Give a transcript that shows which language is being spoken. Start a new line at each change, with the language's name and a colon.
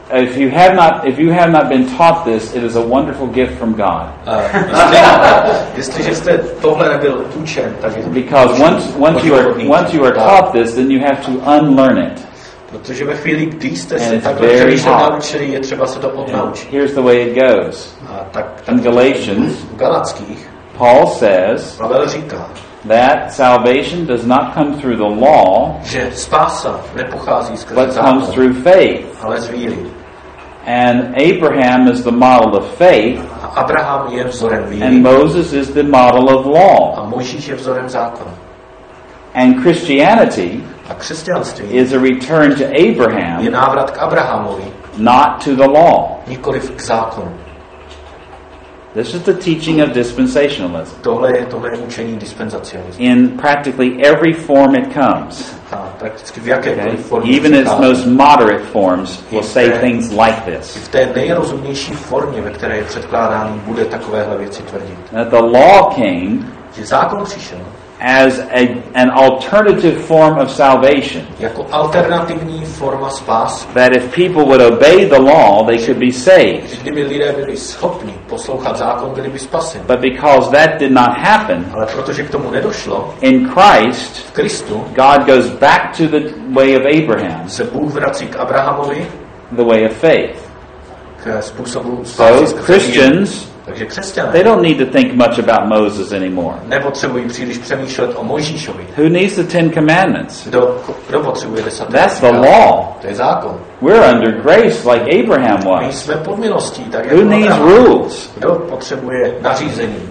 English: If you have not been taught this, it is a wonderful gift from God.
Czech: Jestliže jste tohle nebyl učen, tak je to.
English: Because once you are taught this, then you have to unlearn it.
Czech: Protože ve chvíli, kdy jste se takhle naučili, je třeba se to odnaučit.
English: And here's the way it goes. In Galatians, Paul says,
Czech: Pavel říká,
English: that salvation does not come through the law,
Czech: že spása nepochází skrze
English: but
Czech: zákon,
English: comes through faith.
Czech: Ale z víry.
English: And Abraham is the model of faith.
Czech: Abraham je vzorem víry.
English: And Moses is the model of law.
Czech: A Mojžíš je vzorem zákona.
English: And Christianity,
Czech: a křesťanství,
English: is a return to Abraham,
Czech: je návrat k Abrahamovi,
English: not to the law.
Czech: Nikoliv k zákonu.
English: This is the teaching of dispensationalism.
Czech: Tohle je učení dispensacionalism.
English: In practically every form it comes.
Czech: Prakticky v jakékoliv formě.
English: Even its most moderate forms will say things like this.
Czech: V té nejrozumnější formě, ve které je předkládán, bude takovéhle věci tvrdit.
English: That the law came,
Czech: že zákon přišel,
English: as an alternative form of salvation.
Czech: Jako alternativní forma spásy.
English: That if people would obey the law, they should be saved.
Czech: Kdyby lidé byli schopni poslouchat zákon, byli by spaseni.
English: But because that did not happen,
Czech: ale protože k tomu nedošlo,
English: in Christ,
Czech: v Kristu,
English: God goes back to the way of Abraham.
Czech: Se Bůh vrací k Abrahamovi,
English: the way of faith.
Czech: K způsobu
English: spásy. So Christians,
Czech: takže křesťané,
English: they don't need to think much about Moses anymore.
Czech: Nepotřebují příliš přemýšlet o Mojžíšovi.
English: Who needs the Ten Commandments?
Czech: Kdo potřebuje desatera?
English: That's the law.
Czech: To je zákon.
English: We're under grace like Abraham was.
Czech: My jsme pod milostí, tak
English: who
Czech: jako
English: needs
Czech: Abraham.
English: Rules?
Czech: Kdo potřebuje nařízení?